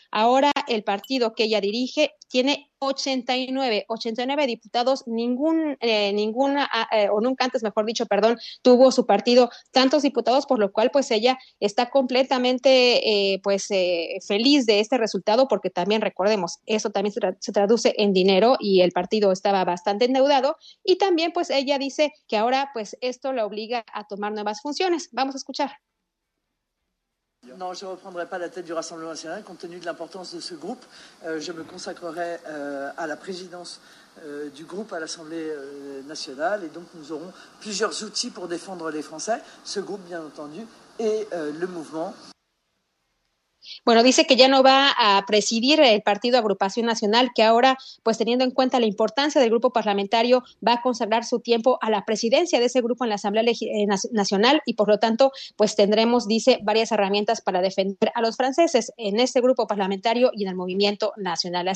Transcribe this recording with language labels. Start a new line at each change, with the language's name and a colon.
Spanish: Ahora el partido que ella dirige tiene 89 diputados, nunca antes tuvo su partido tantos diputados, por lo cual pues ella está completamente feliz de este resultado, porque también recordemos, eso también se traduce en dinero, y el partido estaba bastante endeudado, y también pues ella dice que ahora pues esto la obliga a tomar nuevas funciones. Vamos a escuchar.
French: Non, je ne reprendrai pas la tête du Rassemblement national, compte tenu de l'importance de ce groupe. Je me consacrerai à la présidence du groupe à l'Assemblée nationale, et donc nous aurons plusieurs outils pour défendre les Français, ce groupe bien entendu, et le mouvement.
Spanish: Bueno, dice que ya no va a presidir el partido Agrupación Nacional, que ahora, pues teniendo en cuenta la importancia del grupo parlamentario, va a consagrar su tiempo a la presidencia de ese grupo en la Asamblea Nacional, y por lo tanto, pues tendremos, dice, varias herramientas para defender a los franceses en este grupo parlamentario y en el movimiento nacional.